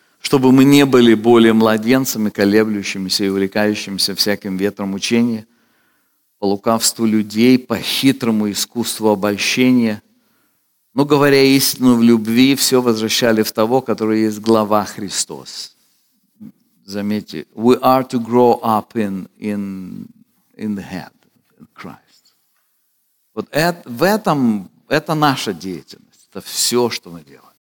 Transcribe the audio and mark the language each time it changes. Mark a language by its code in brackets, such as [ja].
[ru] «Чтобы мы не были более младенцами, колеблющимися и увлекающимися всяким ветром учения, по лукавству людей, по хитрому искусству обольщения, но, говоря истину в любви, все возвращали в того, который есть глава Христос». Заметьте, [en] we are to grow up in the head, in Christ. [ru] Вот это наша деятельность, это все, что мы делаем.